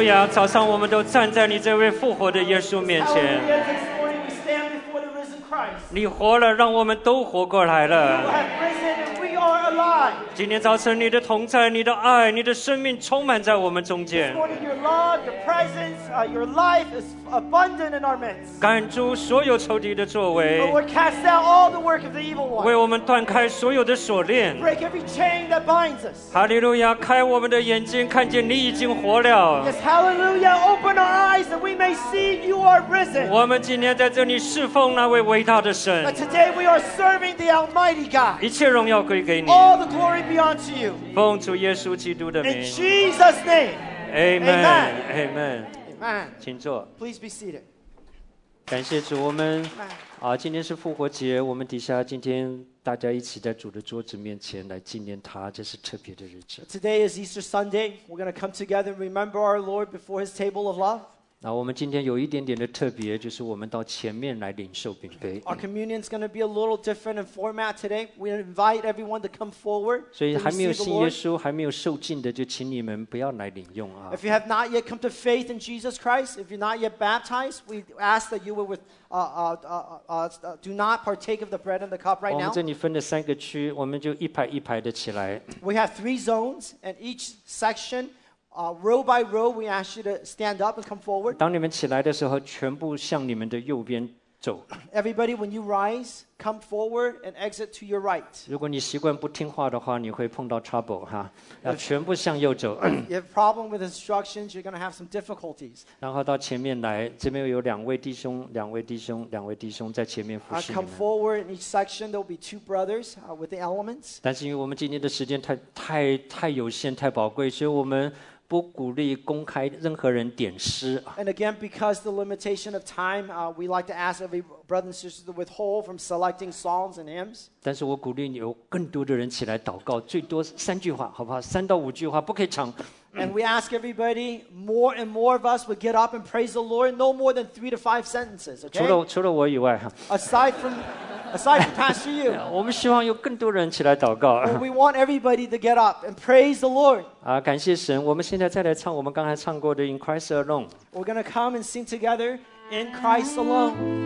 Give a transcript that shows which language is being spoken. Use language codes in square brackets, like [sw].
[zh] 早上我们都站在你这位复活的耶稣面前，你活了让我们都活过来了。今天早晨你的同在，你的爱，你的生命充满在我们中间。 [en] This morning your love, your presence, your life is abundant in our midst. [zh] 赶逐所有仇敌的作为。 [en] Lord, cast out all the work of the evil one. [zh] 为我们断开所有的锁链。 [en] Break every chain that binds us. [zh] 哈利路亚，开我们的眼睛，看见你已经活了。 [en] Yes, hallelujah, open our eyes that we may see you are risen. [zh] 我们今天在这里侍奉那位伟大的神。 [en] But today we are serving the Almighty God. [zh] 一切荣耀归给你。 [en] All the glory be unto you. [zh] 奉主耶稣基督的名。 [en] In Jesus' name. Amen. Amen. [zh] Amen. 请坐。 [en] Please be seated. [zh] 感谢主，我们今天是复活节，我们底下今天大家一起在主的桌子面前来纪念他，这是特别的日子。 [en] Today is Easter Sunday. We're going to come together and remember our Lord before His table of love. [zh] 那我们今天有一点点的特别，就是我们到前面来领受饼杯。 [en] Our communion is going to be a little different in format today. We invite everyone to come forward. [zh] 所以还没有信耶稣、还没有受浸的，就请你们不要来领用啊。 [en] If you have not yet come to faith in Jesus Christ, if you're not yet baptized, we ask that you will do not partake of the bread and the cup right now. [zh] 我们这里分了三个区，我们就一排一排的起来。 [en] We have three zones, and each section. Row by row, we ask you to stand up and come forward. [zh] 当你们起来的时候，全部向你们的右边走。 [en] Everybody, when you rise, come forward and exit to your right. [zh] 如果你习惯不听话的话，你会碰到 trouble 哈。要全部向右走。 [en] You have problem with instructions, you're going to have some difficulties. [zh] 然后到前面来，这边有两位弟兄，两位弟兄，两位弟兄在前面服侍你们。 [en] Come forward in each section. There will be two brothers with the elements. [zh] 但是因为我们今天的时间太有限、太宝贵，所以我们不鼓励公开任何人点诗。 [en] And again, because the limitation of time, we like to ask every brother and sister to withhold from selecting songs and hymns. [zh] 但是我鼓励你有更多的人起来祷告，最多三句话，好不好？三到五句话，不可以长。 [en] And we ask everybody, more and more of us would get up and praise the Lord, no more than 3 to 5 sentences. Okay? [zh] 除了我以外。 [en] Aside from Pastor Yu, [zh] 我们希望有更多人起来祷告。 [en] We want everybody to get up and praise the Lord. [zh] 感谢神！我们现在再来唱我们刚才唱过的《In Christ Alone》。 [en] We're gonna come and sing together in Christ alone.